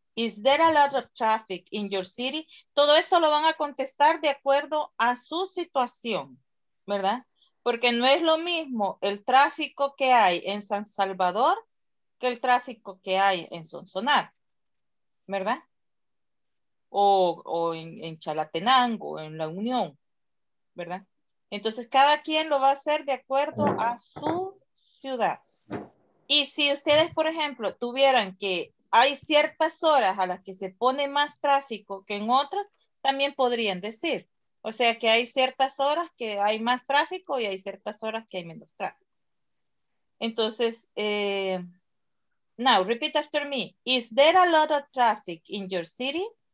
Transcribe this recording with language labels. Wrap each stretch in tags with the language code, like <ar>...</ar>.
<en>Is there a lot of traffic in your city?</en> <es>Todo esto lo van a contestar de acuerdo a su situación, ¿verdad? Porque no es lo mismo el tráfico que hay en San Salvador que el tráfico que hay en Sonsonate, ¿verdad? O en Chalatenango, en La Unión, ¿verdad? Entonces, cada quien lo va a hacer de acuerdo a su ciudad. Y si ustedes, por ejemplo, tuvieran que hay ciertas horas a las que se pone más tráfico que en otras, también podrían decir. O sea, que hay ciertas horas que hay más tráfico y hay ciertas horas que hay menos tráfico. Entonces,</es> <en>now, repeat after me. Is there a lot of traffic in your city?</en>